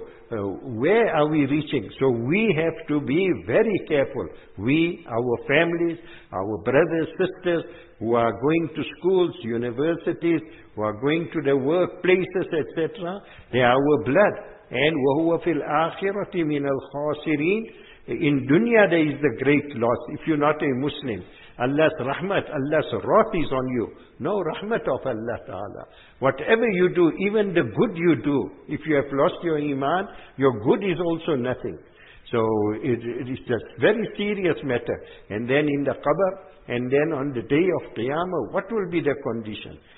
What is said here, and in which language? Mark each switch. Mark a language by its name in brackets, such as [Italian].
[English] Where are we reaching? So we have to be very careful. We, our families, our brothers, sisters, who are going to schools, universities, who are going to the workplaces, etc., they are our blood. [Arabic] And وَهُوَ فِي الْآخِرَةِ مِنَ الْخَاسِرِينَ. [English] In dunya there is the great loss, if you're not a Muslim. Allah's rahmat, Allah's wrath is on you. No rahmat of Allah Ta'ala. Whatever you do, even the good you do, if you have lost your iman, your good is also nothing. So it is a very serious matter. And then in the qabr, and then on the day of Qiyamah, what will be the condition?